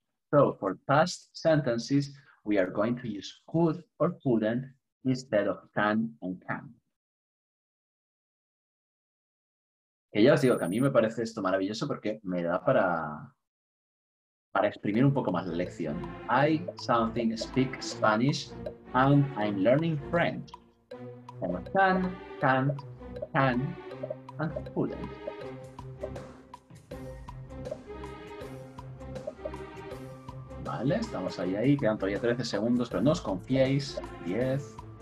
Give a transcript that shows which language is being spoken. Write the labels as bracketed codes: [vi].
[en] So for past sentences, we are going to use could or couldn't instead of can and can't. [es] Que ya os digo que a mí me parece esto maravilloso porque me da para exprimir un poco más la lección. [en] I something speak Spanish and I'm learning French. Or can, and couldn't. [es] Vale, estamos ahí. Quedan todavía 13 segundos, pero no os confiéis. 10.